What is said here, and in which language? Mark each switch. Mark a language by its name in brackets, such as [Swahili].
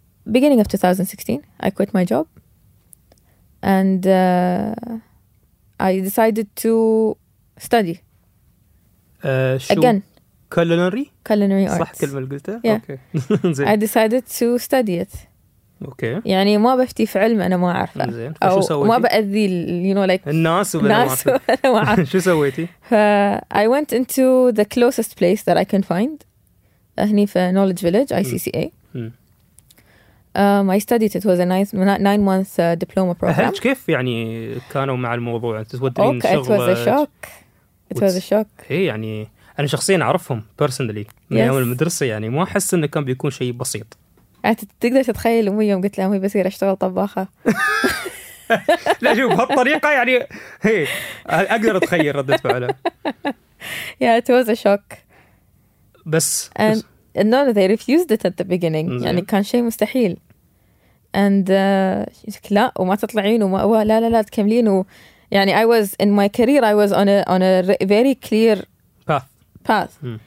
[English] Beginning of 2016 I quit my job and I decided to study again. Culinary arts. [Arabic] صح كلمة اللي قلتها؟ [English] yeah. okay. I decided to study it. okay. [Arabic] يعني ما بفتي في علم أنا ما أعرفه. أو ما بأذي like الناس وبنا ما أعرفه. شو سويتي؟ [English] I went into the closest place that I can find. [Arabic] هني في [English] Knowledge Village, ICCA. I studied it. It was a nine-month diploma program. [Arabic] أهلك كيف يعني كانوا مع الموضوع؟ تودرين [English] okay, [Arabic] شغلة. [English] It was a shock. [Arabic] يعني أنا شخصياً أعرفهم personally من أيام المدرسة، يعني ما أحس إنه كان بيكون شيء بسيط. تقدر تتخيل أمي يوم قلت لها أمي بصير أشتغل طباخة؟ لا شوف هالطريقة يعني هي أقدر أتخيل ردة فعلها. [English] Yeah, it was a shock. [Arabic] بس. [English] And no, they refused it at the beginning. [Arabic] يعني كان شيء مستحيل. [English] And [Arabic] لا وما تطلعين وما لا لا لا تكملين و يعني [English] I was in my career I was on a very clear path.